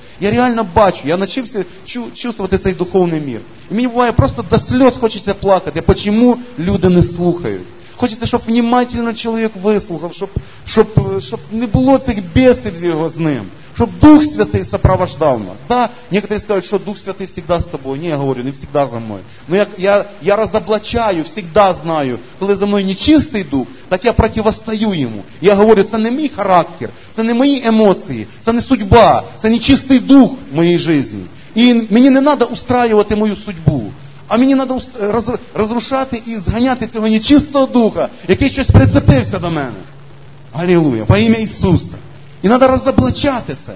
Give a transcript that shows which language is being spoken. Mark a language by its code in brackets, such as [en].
[uk] Я реально бачу, я начався чувствовать цей духовний мир. І мені буває просто до сліз хочеться плакати, чому люди не слухають. Хочеться, щоб внимательно чоловік вислухав, щоб не було цих бісів з ним. Щоб Дух Святий сопровождав нас. [ru] Да, некоторые говорят, что Дух Святий всегда с тобой. Не, я говорю, не всегда за мной. Но я разоблачаю, всегда знаю, коли за мной нечистый Дух, так я противостою ему. [uk] Я говорю, це не мій характер, це не мої емоції, це не судьба, це нечистый Дух в моїй жизни. І мені не треба устраювати мою судьбу. А мені треба розрушати і зганяти цього нечистого Духа, який щось прицепився до мене. Аллилуйя, во ім'я Ісуса. І треба розоблачати це.